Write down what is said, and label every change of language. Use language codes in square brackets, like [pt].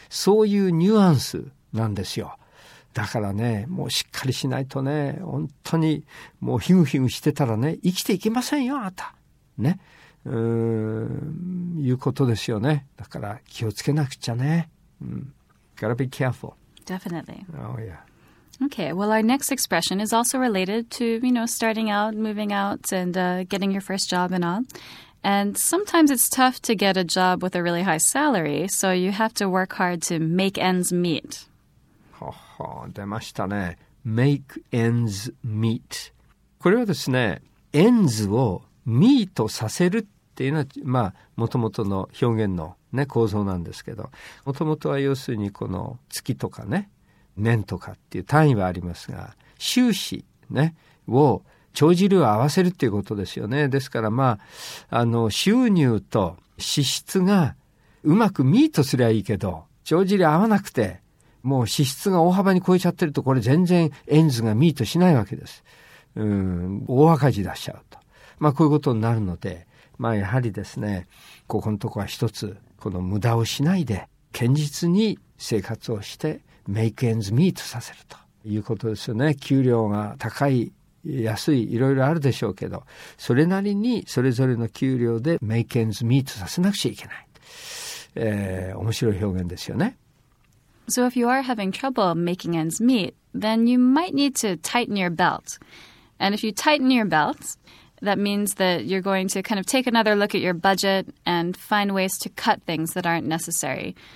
[ja] そういうニュアンスなんですよ。だからね、もうしっかりしないとね、本当にもうヒグヒグしてたらね、生きていけませんよ、あなた。ね。いうことですよね。だから気をつけなくちゃね。 [en] Gotta be careful. Definitely. Oh, yeah. Okay, well, our next expression is also related to, you know, starting out, moving out, and getting your first job and all. And sometimes it's tough to get a job with a really high salary, so you have to work hard to make ends meet. [ja] ほほ、出ましたね。 [en] Make ends meet. [ja] これはですね、ends をミートさせるっていうのは、まあ、もともとの表現のね、構造なんですけど、もともとは要するにこの月とかね、年とかっていう単位はありますが、収支ね、を、帳尻を合わせるっていうことですよね。ですから、まあ、収入と支出がうまくミートすりゃいいけど、帳尻合わなくて、もう支出が大幅に超えちゃってると、これ全然エンズがミートしないわけです。大赤字出しちゃうと。まあこういうことになるので、まあやはりですね、ここのとこは一つ、この無駄をしないで、堅実に生活をして、メイクエンズミートさせるということですよね。給料が高い、安い、いろいろあるでしょうけど、それなりにそれぞれの給料でメイクエンズミートさせなくちゃいけない。面白い表現ですよね。 [en] So if you are having trouble making ends meet, then you might need to tighten your belt. And if you tighten your belt,That means that you're going to kind of take another look at your budget and find ways to cut things that aren't necessary.